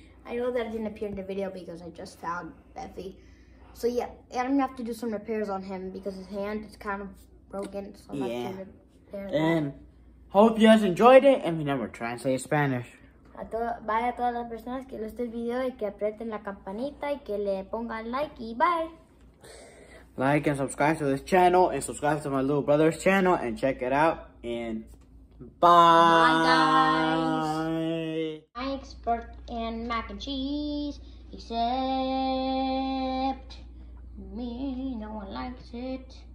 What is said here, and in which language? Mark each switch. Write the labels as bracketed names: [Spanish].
[English] I know that I didn't appear in the video because I just found Beffy. So, yeah, I'm gonna have to do some repairs on him because his hand is kind of broken. So I'm Gonna repair that. And hope you guys enjoyed it and remember, try and say Spanish. [Spanish] Bye a todas las personas que les guste el video y que aprieten la campanita y que le pongan like y bye. [English] Like and subscribe to this channel and subscribe to my little brother's channel and check it out and bye. I export in mac and cheese except me, no one likes it.